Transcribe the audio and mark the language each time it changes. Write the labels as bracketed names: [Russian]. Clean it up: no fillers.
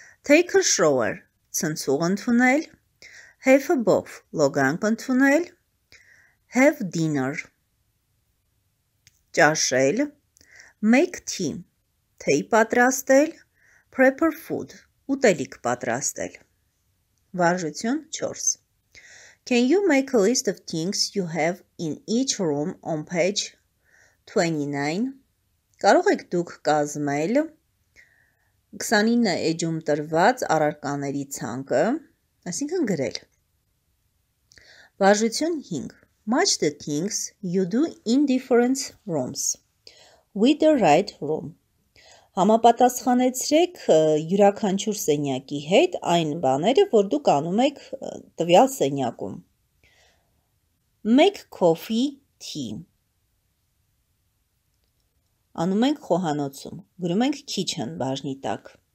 [English] Take a shower, [Armenian] ցնցուղ ընդունել. [English] Have a bath, [Armenian] լոգանք ընդունել. [English] Have dinner, [Armenian] ճաշել. [English] Make tea, [Armenian] թեյ պատրաստել. [English] Prepare food, [Armenian] ուտելիք պատրաստել. Վարժություն 4. [English] Can you make a list of things you have in each room on page 29? [Armenian] Կարող եք դուք կազմել 29 էջում տրված առարկաների ցանկը, այսինքն գրել. Վարժություն 5. [English] Match the things you do in different rooms with the right room. [Armenian] Համապատասխանեցրեք յուրաքանչյուր սենյակի հետ այն բաները, որ դուք անում եք տվյալ սենյակում. [English] Make coffee, tea. [Armenian] Անում ենք խոհանոցում, գրում ենք kitchen բաժնի տակ.